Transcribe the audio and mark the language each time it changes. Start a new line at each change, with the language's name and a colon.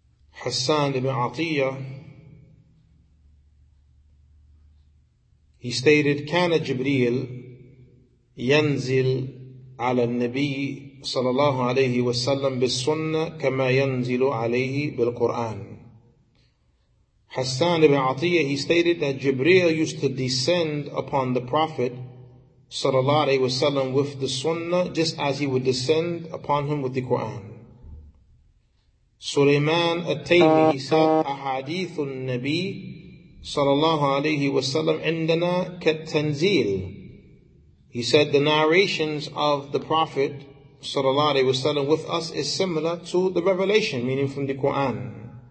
English: How?
Arabic: Hassan ibn Atiyah,
English: he stated,
Arabic: كَانَ جِبْرِيلُ يَنْزِلْ عَلَى النَّبِيِّ صَلَى اللَّهُ عَلَيْهِ وَسَلَّمْ بِالسُنَّةِ كَمَا يَنْزِلُ عَلَيْهِ بِالْقُرْآنِ.
English: Hassan ibn Atiyah, he stated that Jibreel used to descend upon the Prophet
Arabic: صلى الله عليه وسلم
English: with the Sunnah, just as he would descend upon him with the Quran.
Arabic: Sulaiman At-Taymi,
English: he said,
Arabic: أحاديث النبي صلى الله عليه وسلم عندنا كالتنزيل.
English: He said, the narrations of the Prophet
Arabic: صلى الله عليه وسلم
English: with us is similar to the revelation, meaning from the Quran.